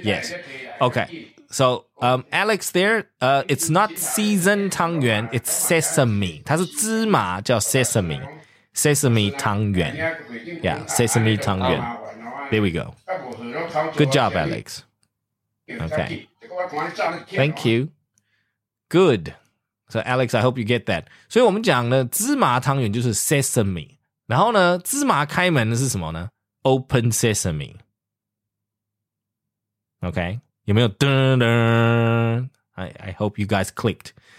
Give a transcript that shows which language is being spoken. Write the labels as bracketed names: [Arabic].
[English] yes, okay, so Alex there, it's not season 汤圆, it's sesame, [Chinese] 它是芝麻, [English] 叫 sesame, sesame 汤圆, yeah, sesame 汤圆, there we go, good job, Alex, okay, thank you, good. So Alex, I hope you get that. [Chinese] 所以我们讲的芝麻汤圆就是 sesame. 然后呢，芝麻开门的是什么呢？ [English] Open sesame. [Chinese] Okay, 有没有噔噔？ [English] I hope you guys clicked.